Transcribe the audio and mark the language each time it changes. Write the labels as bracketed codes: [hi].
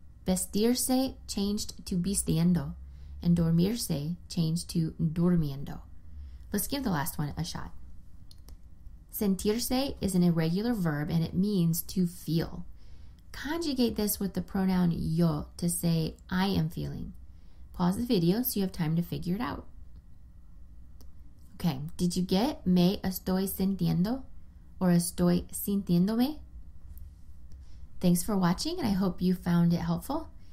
[en] Vestirse changed to vistiendo, and dormirse changed to durmiendo. Let's give the last one a shot. Sentirse is an irregular verb, and it means to feel. Conjugate this with the pronoun yo to say I am feeling. Pause the video so you have time to figure it out. Okay, did you get [es] me estoy sintiendo or estoy sintiéndome? [en] Thanks for watching, and I hope you found it helpful.